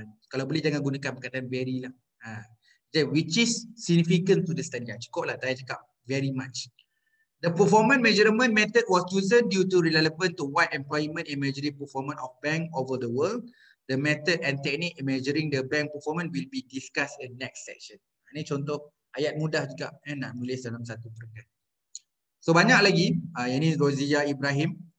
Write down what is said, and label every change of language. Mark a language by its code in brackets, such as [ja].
[ms] Kalau boleh jangan gunakan perkataan very lah. [en] Which is significant to the study. [ms] Cukup lah saya cakap [en] very much. The performance measurement method was chosen due to relevant to wide employment in measuring performance of bank over the world. The method and technique in measuring the bank performance will be discussed in next session. [ms] Ini contoh ayat mudah juga nak tulis dalam satu peringkat. So banyak lagi, yang ini Rozia Ibrahim.